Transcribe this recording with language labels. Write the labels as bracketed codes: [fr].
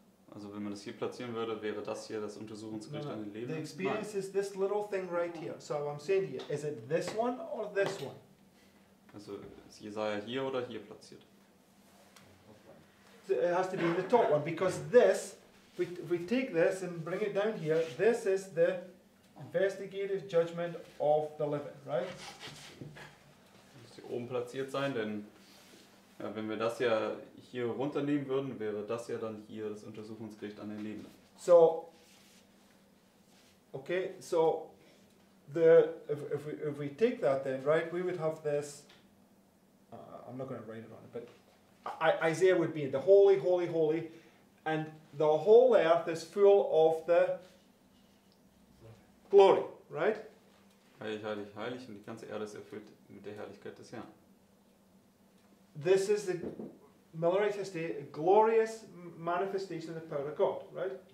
[de] Also wenn man das hier platzieren würde, wäre das hier das Untersuchungsgericht an den Lebenden. [en] The experience is this little thing right here. So I'm saying here, is it this one or this one? [de] Also ist Jesaja hier oder hier platziert? [en] So it has to be the top one, because this, we take this and bring it down here, this is the investigative judgment of the living, right? [de] Oben platziert sein, denn ja, wenn wir das ja hier runternehmen würden, wäre das ja dann hier das Untersuchungsgericht an den Lebenden. [en] So, okay, so if we take that then, right, we would have this, I'm not going to write it on it, but Isaiah would be in the holy, holy, holy, and the whole earth is full of the glory, right? [de] Heilig, heilig, heilig, und die ganze Erde ist erfüllt mit der Herrlichkeit des Herrn. [en] This is the Millerite history, a glorious manifestation of the power of God, right?